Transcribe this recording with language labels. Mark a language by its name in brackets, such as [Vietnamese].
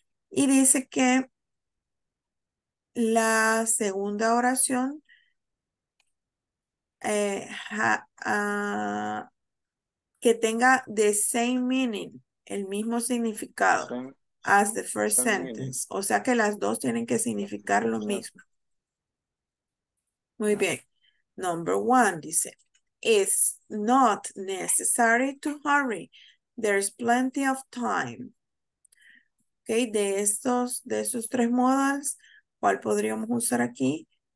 [Spanish] Y dice que la segunda oración que tenga [English] the same meaning, [Spanish] el mismo significado [English] as the first sentence. [Spanish] O sea que las dos tienen que significar lo mismo. Muy bien. [English] Number one dice, it's not necessary to hurry. There's plenty of time. [Spanish] Okay, de estos tres modals, ¿cuál podríamos usar aquí?